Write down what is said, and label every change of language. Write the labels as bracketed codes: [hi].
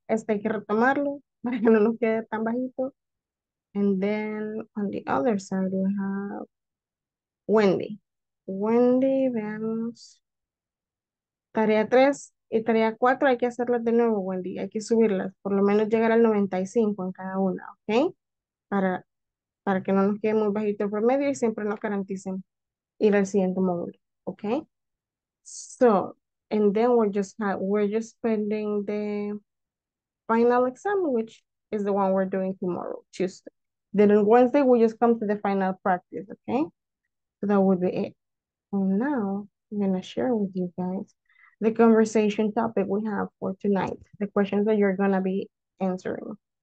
[es] Este hay que retomarlo para que no nos quede tan bajito. [en] And then on the other side, we have Wendy. [es] Wendy, veamos. Tarea 3 y tarea 4 hay que hacerlas de nuevo, Wendy. Hay que subirlas, por lo menos llegar al 95 en cada una, ¿ok? Para que no nos quede muy bajito el promedio y siempre nos garanticen ir al siguiente módulo, ¿ok? [en] So, and then we're just pending the final exam, which is the one we're doing tomorrow, Tuesday. Then on Wednesday, we just come to the final practice, okay? So that would be it. And now, I'm going to share with you guys the conversation topic we have for tonight, the questions that you're going to be answering.